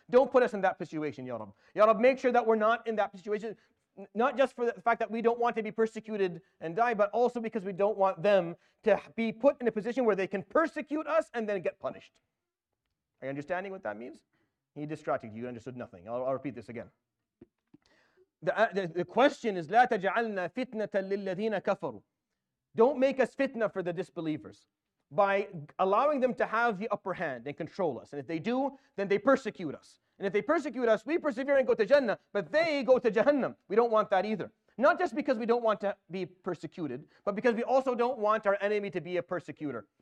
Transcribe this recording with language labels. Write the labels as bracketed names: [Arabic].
[English] Don't put us in that situation, Ya Rab. Ya Rab, make sure that we're not in that situation, not just for the fact that we don't want to be persecuted and die, but also because we don't want them to be put in a position where they can persecute us and then get punished. Are you understanding what that means? He distracted you, you understood nothing. I'll repeat this again. The question is, [Arabic] لا تجعلنا فتنة للذين كفروا. [English] Don't make us fitna for the disbelievers by allowing them to have the upper hand and control us. And if they do, then they persecute us. And if they persecute us, we persevere and go to Jannah, but they go to Jahannam. We don't want that either. Not just because we don't want to be persecuted, but because we also don't want our enemy to be a persecutor.